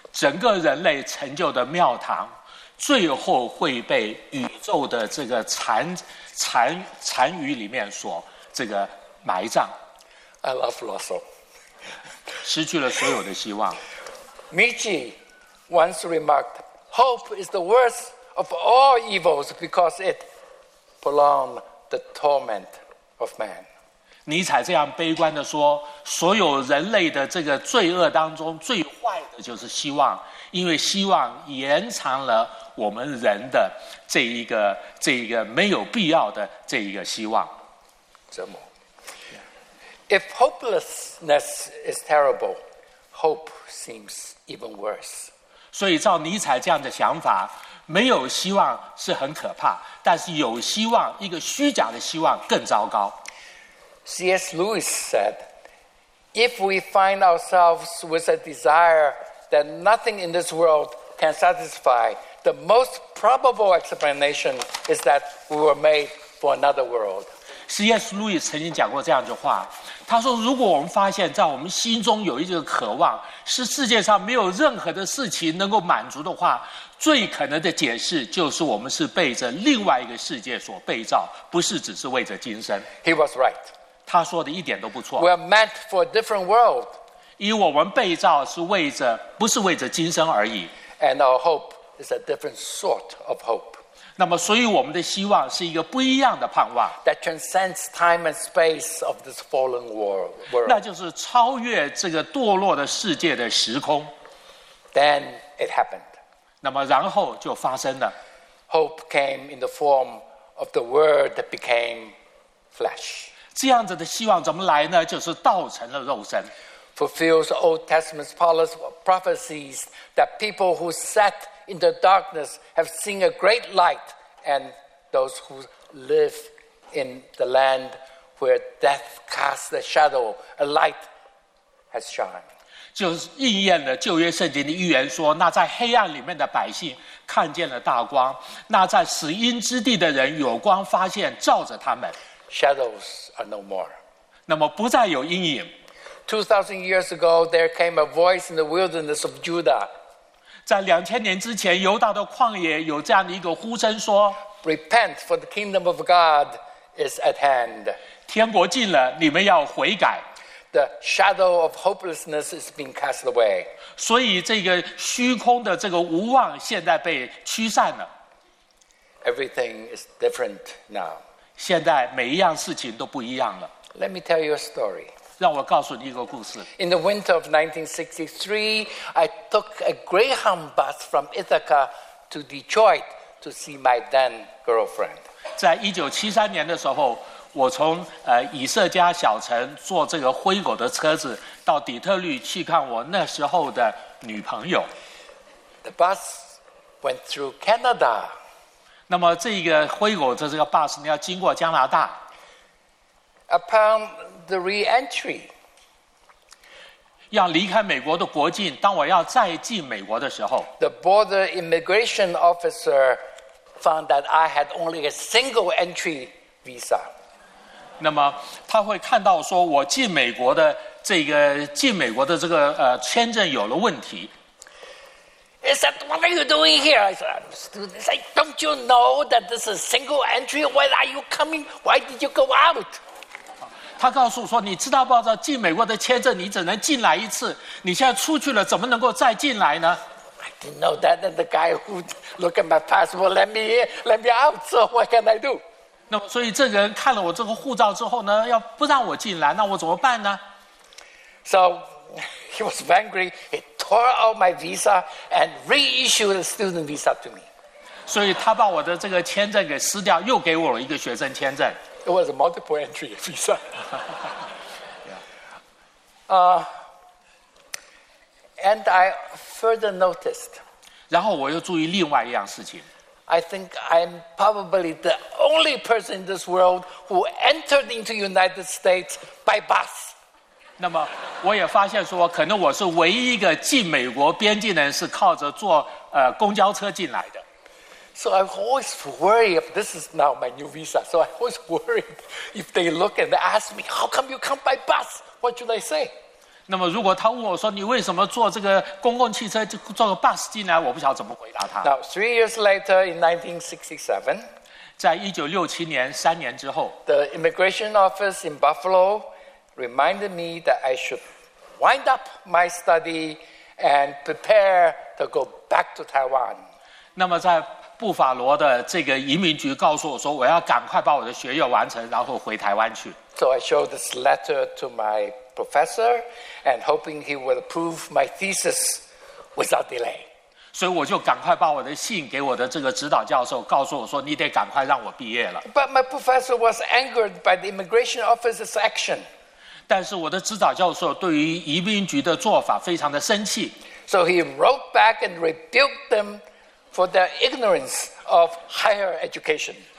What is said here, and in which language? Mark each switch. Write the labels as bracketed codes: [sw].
[zh] 整个人类成就的庙堂，最后会被宇宙的这个残余里面所这个埋葬。 [en] I love Russell. [zh] 失去了所有的希望。 [en] Nietzsche once remarked, "Hope is the worst of all evils because it prolongs the torment of man." [zh] 尼采这样悲观地说，所有人类的这个罪恶当中最坏的就是希望，因为希望延长了我们人的这一个没有必要的这一个希望折磨。 [en] If hopelessness is terrible, hope seems even worse. [zh] 所以照尼采这样的想法，没有希望是很可怕，但是有希望，一个虚假的希望更糟糕。 [en] C.S. Lewis said, "If we find ourselves with a desire that nothing in this world can satisfy, the most probable explanation is that we were made for another world." C.S. [zh] Lewis 曾经讲过这样一句话，他说：“如果我们发现，在我们心中有一个渴望，是世界上没有任何的事情能够满足的话，最可能的解释就是我们是被着另外一个世界所被造，不是只是为着今生。” [en] He was right. [zh] 他说的一点都不错。 [en] We are meant for a different world. [zh] 因为我们被造是为着，不是为着今生而已。 [en] And our hope is a different sort of hope. [zh] 那么，所以我们的希望是一个不一样的盼望。 [en] That transcends time and space of this fallen world. [zh] 那就是超越这个堕落的世界的时空。 [en] Then it happened. [zh] 那么，然后就发生了。 [en] Hope came in the form of the word that became flesh. [zh] 这样子的希望怎么来呢？就是道成了肉身。 [en] Fulfills Old Testament's prophecies that people who sat in the darkness have seen a great light, and those who live in the land where death casts a shadow, a light has shined. [zh] 就是应验了旧约圣经的预言说，那在黑暗里面的百姓看见了大光，那在死荫之地的人有光发现照着他们。 [en] Shadows are no more. [zh] 那么不再有阴影。 [en] 2,000 years ago, there came a voice in the wilderness of Judah. [zh] 在2000年之前，犹大的旷野有这样的一个呼声说， [en] Repent, for the kingdom of God is at hand. [zh] 天国近了，你们要悔改。 [en] The shadow of hopelessness is being cast away. [zh] 所以这个虚空的这个无望现在被驱散了。 [en] Everything is different now. [zh] 现在每一样事情都不一样了。 [en] Let me tell you a story. [zh] 让我告诉你一个故事。 [en] In the winter of 1963, I took a Greyhound bus from Ithaca to Detroit to see my then girlfriend. [zh] 在1973年的时候，我从以色加小城坐这个灰狗的车子到底特律去看我那时候的女朋友。 [en] The bus went through Canada. [zh] 那么这个灰狗的这个 bus 你要经过加拿大。 [en] Upon the re-entry, [zh] 要离开美国的国境，当我要再进美国的时候 [en] ，the border immigration officer found that I had only a single entry visa. [zh] 那么他会看到说我进美国的这个签证有了问题。 [en] He said, "What are you doing here?" I said, "Students, like, don't you know that this is single entry? Why are you coming? Why did you go out?" [zh] 他告诉我说：“你知道不知道，进美国的签证你只能进来一次，你现在出去了，怎么能够再进来呢 [en] ？”I didn't know that. And the guy who looked at my passport let me out. So what can I do? [zh] 那么，所以这个人看了我这个护照之后呢，要不让我进来，那我怎么办呢 [en] ？So he was angry. He tore out my visa and reissued a student visa to me. [zh] 所以他把我的这个签证给撕掉，又给我了一个学生签证。 [en] It was a multiple entry visa. and I further noticed. [zh] 然后我又注意另外一样事情。 [en] I think I'm probably the only person in this world who entered into the United States by bus. 那么我也发现说，可能我是唯一一个进美国边境的人是靠着坐公交车进来的。 So I always worry if this is now my new visa. So I always worry if they look and ask me, "How come you come by bus? What should I say?" [zh] 那么如果他问我说你为什么坐这个公共汽车就坐个 bus 进来，我不晓得怎么回答他。 [en] Now 3 years later, in 1967, [zh] 在1967年三年之后 [en] ，the immigration office in Buffalo reminded me that I should wind up my study and prepare to go back to Taiwan. [zh] 那么在布法罗的这个移民局告诉我说，我要赶快把我的学业完成，然后回台湾去。 [en] So I showed this letter to my professor, and hoping he would approve my thesis without delay. [zh] 所以我就赶快把我的信给我的这个指导教授，告诉我说，你得赶快让我毕业了。 [en] But my professor was angered by the immigration office's action. [zh] 但是我的指导教授对于移民局的做法非常的生气。 [en] So he wrote back and rebuked them. For their ignorance of higher education.